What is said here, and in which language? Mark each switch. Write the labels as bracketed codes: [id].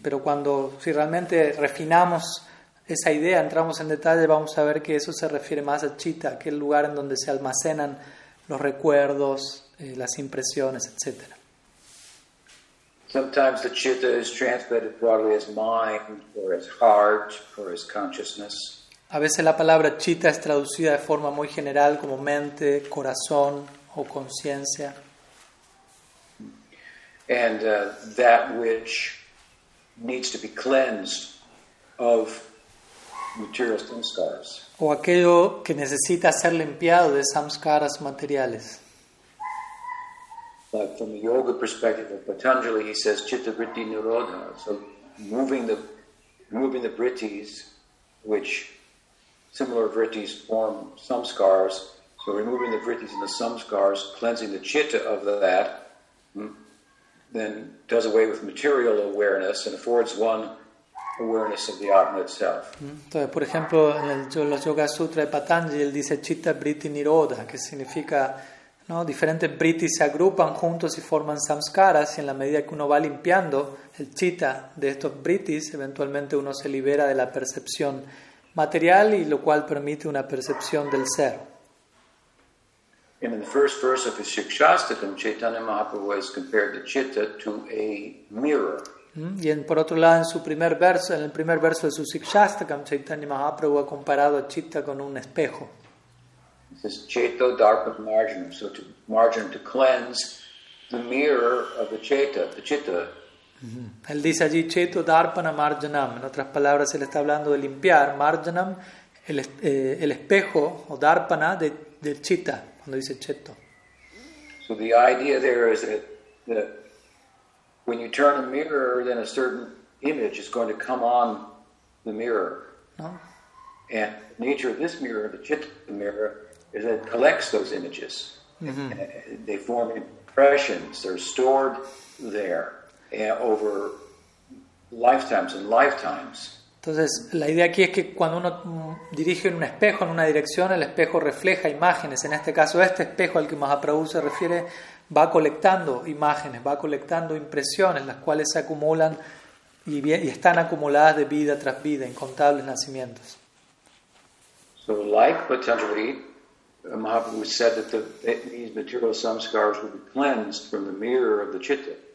[es] Pero cuando, si realmente refinamos esa idea, entramos en detalle, vamos a ver que eso se refiere más a chitta, aquel lugar en donde se almacenan los recuerdos, las impresiones, etcétera. [en] Sometimes the chitta is translated broadly as mind, or as heart, or as consciousness. [es] A veces la palabra chitta es traducida de forma muy general como mente, corazón o conciencia. [en] And that which needs to be cleansed of material samskaras. [es] O aquello que necesita ser limpiado de samskaras materiales. [en] But from the yoga perspective of Patanjali, he says chitta vritti nirodha. So moving the vrittis, which similar vrittis form samskaras. So removing the vrittis and the samskaras, cleansing the chitta of that, then does away with material awareness and affords one awareness of the atma itself. [es] Entonces, por ejemplo, en los Yoga Sutra de Patanjali, él dice chitta vritti nirodha, que significa, ¿no?, diferentes vrittis se agrupan juntos y forman samskaras, y en la medida que uno va limpiando el chitta de estos vrittis, eventualmente uno se libera de la percepción material, y lo cual permite una percepción del ser. [en] And in the first verse of his Shikshastakam, Chaitanya Mahaprabhu has compared the chitta to a mirror. [es] Y en, por otro lado, en su primer verso, en el primer verso de su Shikshastakam, Chaitanya Mahaprabhu ha comparado a chitta con un espejo. [en] This chaito darpam marginum, so to margin, to cleanse the mirror of the chitta. [es] Mm-hmm. Él dice allí chaito darpana marginam. En otras palabras, él está hablando de limpiar marginam, el espejo o darpana de chitta. Cuando dice chaito. [en] So the idea there is that when you turn a mirror, then a certain image is going to come on the mirror. [es] No? [en] And the nature of this mirror, the chitta mirror, is that it collects those images. Mm-hmm. They form impressions. They're stored there over lifetimes and lifetimes. [es] Entonces, la idea aquí es que cuando uno dirige un espejo en una dirección, el espejo refleja imágenes. En este caso, este espejo al que Mahaprabhu se refiere va colectando imágenes, va colectando impresiones, las cuales se acumulan y están acumuladas de vida tras vida, incontables nacimientos. [en] So, like Patanjali, Mahaprabhu said that these material samskaras would be cleansed from the mirror of the chitta.